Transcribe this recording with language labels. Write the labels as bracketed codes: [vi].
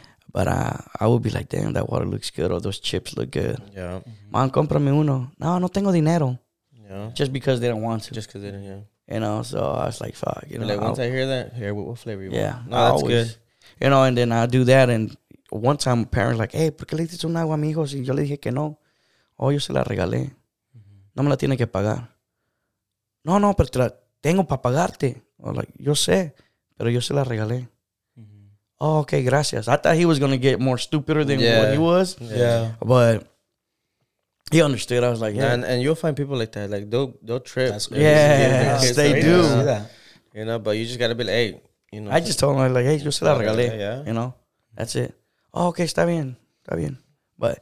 [en] But I would be like, damn, that water looks good. Or those chips look good. Yeah. [es] Man, comprame uno. No, no tengo dinero. [en] Yeah. Just because they don't want to. Just because they didn't, yeah. You know, so I was like, fuck. You know, like, once I hear that, here, what flavor you yeah, want? Yeah. No, that's always, good. You know, and then I do that. And one time, my parents like, hey, [es] ¿por qué le diste un agua a mi hijo? Y yo le dije que no. Oh, yo se la regalé. Mm-hmm. No me la tiene que pagar. No, no, pero te la tengo para pagarte. [en] I was like, [es] yo sé, pero yo se la regalé. Oh, okay, gracias. [en] I thought he was going to get more stupider than what he was. Yeah. But he understood. I was like, yeah. And you'll find people like that. Like, they'll trip. That's crazy. Yeah. Yes, they do. You know, but you just got to be like, hey, you know. I just told him, like, hey, [es] yo se la regalé. [en] Yeah. You know, that's it. Oh, okay, [es] está bien. Está bien. [en] But.